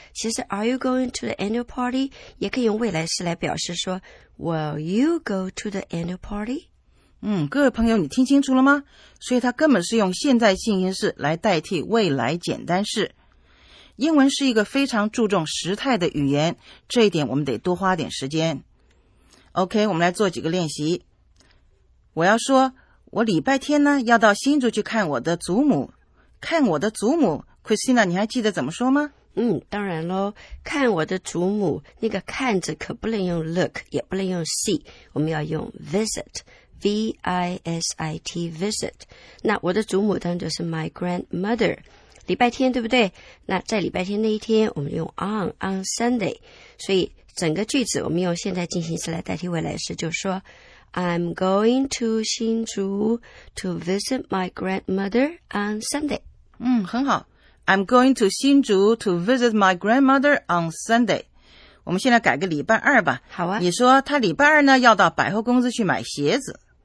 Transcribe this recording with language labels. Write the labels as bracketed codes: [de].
[zh] 其实 [en] are you going to the annual party, [zh] 也可以用未来式来表示说 [en] Will you go to the annual party? [zh] 各位朋友你听清楚了吗？所以它根本是用现在进行式来代替未来简单式。英文是一个非常注重时态的语言，这一点我们得多花点时间。 OK, 我们来做几个练习。我要说我礼拜天呢要到新竹去看我的祖母。看我的祖母， Christina 你还记得怎么说吗？当然咯，看我的祖母，那个看着可不能用 look, 也不能用 see, 我们要用 visit, V-I-S-I-T, visit. 那我的祖母当然就是 [en] my grandmother, [zh] 礼拜天对不对？那在礼拜天那一天我们用 on Sunday, 所以整个句子我们用现在进行式来代替未来式，就是说 [en] I'm going to [zh] 新竹 [en] to visit my grandmother on Sunday. [zh] 很好。 [en] I'm going to 新竹 to visit my grandmother on Sunday. [zh] 我们现在改个礼拜二吧。好啊。你说他礼拜二呢要到百货公司去买鞋子。